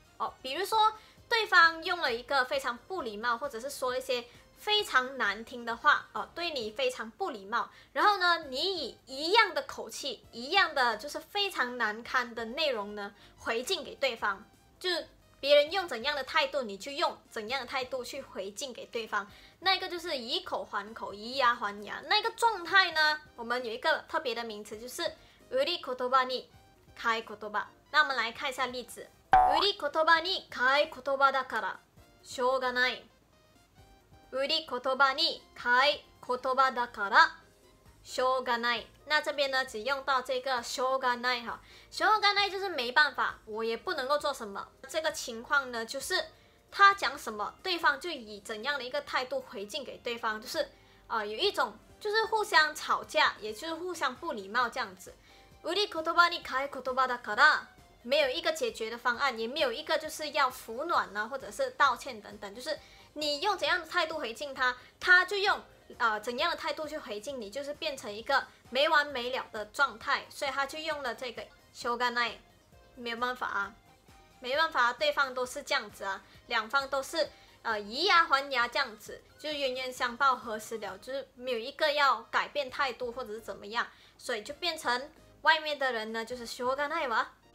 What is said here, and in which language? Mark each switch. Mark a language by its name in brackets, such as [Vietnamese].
[Chinese] 哦，比如说对方用了一个非常不礼貌，或者是说一些非常难听的话，哦，对你非常不礼貌，然后呢，你以一样的口气，一样的就是非常难堪的内容呢，回敬给对方，就别人用怎样的态度，你去用怎样的态度去回敬给对方，那个就是以口还口，以牙还牙。那个状态呢，我们有一个特别的名词，就是売り言葉に買い言葉。那我们来看一下例子。 [Japanese] 売り言葉に買い言葉だからしょうがない。売り言葉に買い言葉だからしょうがない。 [Chinese] 那这边呢，只用到这个しょうがない哈。しょうがない就是没办法，我也不能够做什么。这个情况呢，就是他讲什么，对方就以怎样的一个态度回敬给对方，就是有一种就是互相吵架，也就是互相不礼貌这样子。 [Japanese] 売り言葉に買い言葉だから。 [Chinese] 没有一个解决的方案，也没有一个就是要服软啊，或者是道歉等等，就是你用怎样的态度回敬他，他就用怎样的态度去回敬你，就是变成一个没完没了的状态。所以他就用了这个しょうがない，没有办法啊，没办法，对方都是这样子啊，两方都是以牙还牙这样子，就冤冤相报何时了，就是没有一个要改变态度或者是怎么样，所以就变成外面的人呢就是しょうがないわ。